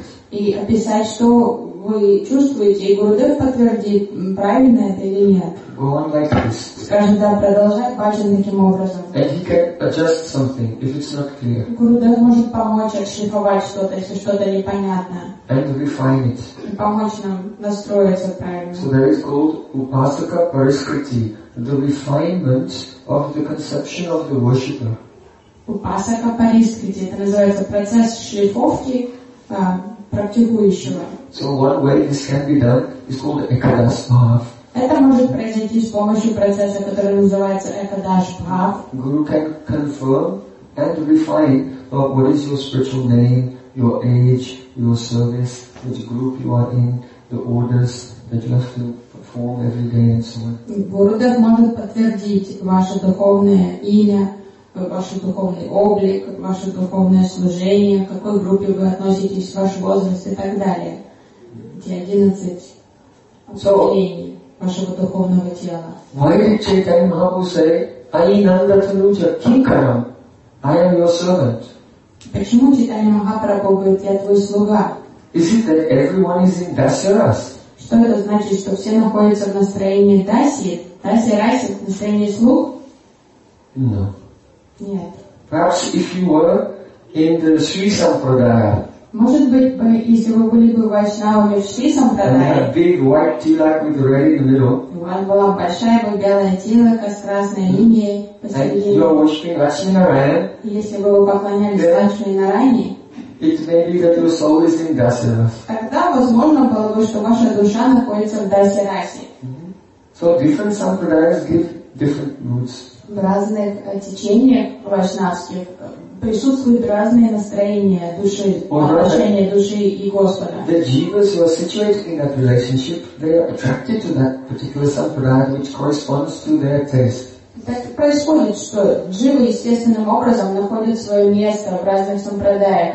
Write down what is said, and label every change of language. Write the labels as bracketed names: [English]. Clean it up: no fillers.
[Russian] и описать, что вы чувствуете, и Гурудев подтвердит, правильно это или нет. [English] Like [Russian] скажем, да, продолжать Баджан таким образом. Гурудев может помочь отшлифовать что-то, если что-то непонятно. [English] And refine it. [Russian] Помочь нам настроиться правильно. [English] So there is called Upasaka Pariskriti, the refinement of the conception of the worshipper. [Russian] Upasaka Pariskriti, это называется процесс шлифовки практикующего. [English] So one way this can be done is called Ekadash Bhav. [Russian] Это может произойти с помощью процесса, который называется Ekadash Bhav. [English] Guru can confirm and refine what is your spiritual name, your age, your service, which group you are in, the orders that you have to perform every day and so on. [Russian] Гурудев может подтвердить ваше духовное имя, ваш духовный облик, ваше духовное служение, к какой группе вы относитесь, ваш возраст и так далее. Те 11 определений вашего духовного тела. [English] Why did Chaitanya Mahaprabhu say, I nanda tanuja kinkaram, I am your servant? [Russian] Почему Читания Махапрабху говорит, я твой слуга? [English] Is it that everyone is in dasaras? [Russian] Что это значит, что все находятся в настроении даси? Даси раси, в настроении слуг? [English] No. [Russian] Нет. [English] Perhaps if you were in the Sri Sampradaya. [Russian] Может быть, если вы были бы в Вайшнаве в Шри Сампрадае. [English] And a big white tilak with red in the middle. [Russian] У вас была большая бы белая тилака с красной линией. [English] And you are worshipping Lakshmi Narayan. [Russian] Если бы вы поклонялись Лакшми Нарайане. [English] It may be that your soul is in Dasaras. [Russian] Тогда возможно было бы, что ваша душа находится в Дасарасе. [English] So different sampradayas give different moods. [Russian] В разных течениях вайшнавских присутствуют разные настроения души, отношения души и Господа. [English] The jivas who are situated in that relationship, they are attracted to that particular sampradaya which corresponds to their taste. [Russian] Так происходит, что дживы естественным образом находят свое место в разных сампрадаях.